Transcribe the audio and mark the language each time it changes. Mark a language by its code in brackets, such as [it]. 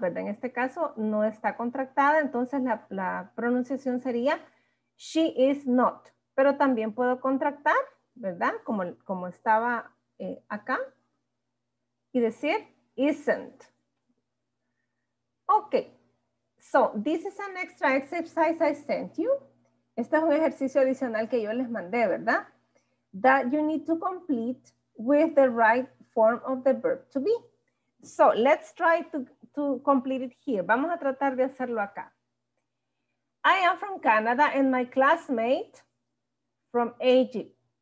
[es] But en este caso, no está contractada. Entonces, la pronunciación sería, [en] she is not. [es] Pero también puedo contractar, ¿verdad? Como estaba acá. Y decir, isn't. Okay. [en] So, this is an extra exercise I sent you. [es] Este es un ejercicio adicional que yo les mandé, ¿verdad? [en] That you need to complete with the right form of the verb to be. So, let's try to complete it here. [es] Vamos a tratar de hacerlo acá. [en] I am from Canada and my classmate from Egypt.